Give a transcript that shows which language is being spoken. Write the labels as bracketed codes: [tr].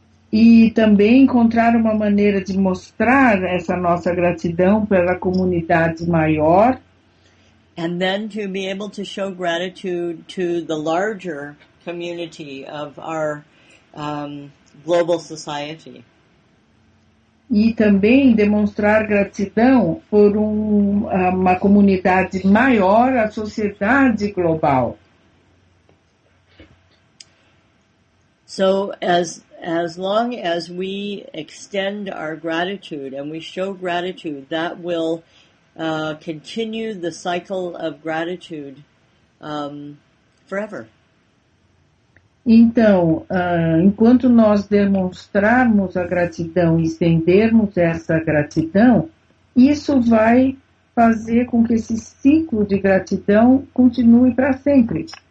[pt] E também encontrar uma maneira de mostrar essa nossa gratidão pela comunidade maior. [en] And then to be able to show gratitude to the larger community of our global society. [pt] E também demonstrar gratidão por uma comunidade maior, a sociedade global. [en] So, as long as we extend our gratitude and we show gratitude, that will continue the cycle of gratitude forever. [pt] Então, enquanto nós demonstrarmos a gratidão e estendermos essa gratidão, isso vai fazer com que esse ciclo de gratidão continue para sempre.